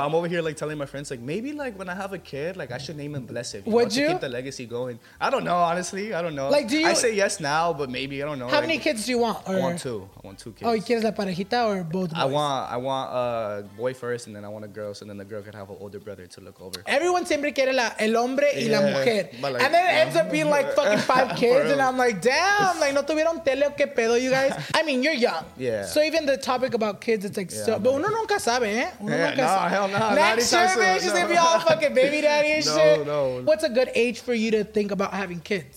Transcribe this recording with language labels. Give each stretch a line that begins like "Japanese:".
English: I'm over here, like, telling my friends, like, maybe, like, when I have a kid, like, I should name him Blessive. You would know, you? To keep the legacy going. I don't know, honestly. I don't know. Like, do you? I say yes now, but maybe. I don't know. How many kids do you want? Or... I want two kids. Oh, you
Spanish: quieres la parejita
English: or both boys? I want a boy first, and then I want a girl, so then the girl could have an older brother to look over. Everyone
Spanish: siempre quiere el hombre y la mujer.
English: Like, and then it ends up being like fucking 5 kids, and I'm like, damn, like,
Spanish: no tuvieron tele o qué pedo,
English: you guys? I mean, you're young. Yeah. So even the topic about kids, it's like, so, but
Spanish: uno nunca sabe, eh?
English: Next year, bitch, is gonna be all fucking baby daddy and shit. No. What's a good age for you to think about having kids?